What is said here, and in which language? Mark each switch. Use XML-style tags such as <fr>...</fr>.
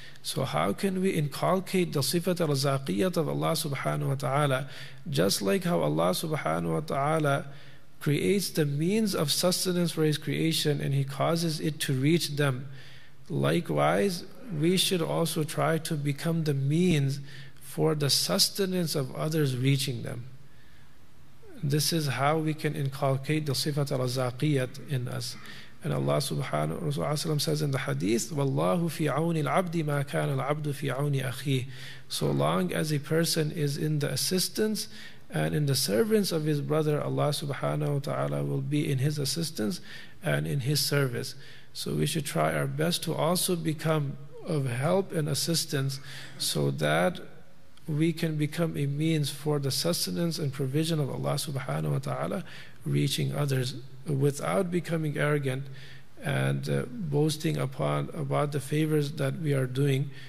<en>So how can we inculcate the sifat al-razaqiyat of Allah subhanahu wa ta'ala, just like how Allah subhanahu wa ta'ala creates the means of sustenance for His creation and He causes it to reach them. Likewise, we should also try to become the means for the sustenance of others reaching them. This is how we can inculcate the sifat al-razaqiyat in us. And Allah subhanahu wa ta'ala says in the hadith,</en> <ar>وَاللَّهُ فِي عَوْنِ الْعَبْدِ مَا كَانَ الْعَبْدُ فِي عَوْنِ أَخِيهِ.</ar> <en>So long as a person is in the assistance and in the servants of his brother, Allah subhanahu wa ta'ala will be in his assistance and in his service. So we should try our best to also become of help and assistance so that we can become a means for the sustenance and provision of Allah subhanahu wa ta'ala reaching others without becoming arrogant and boasting about the favors that we are doing.</en>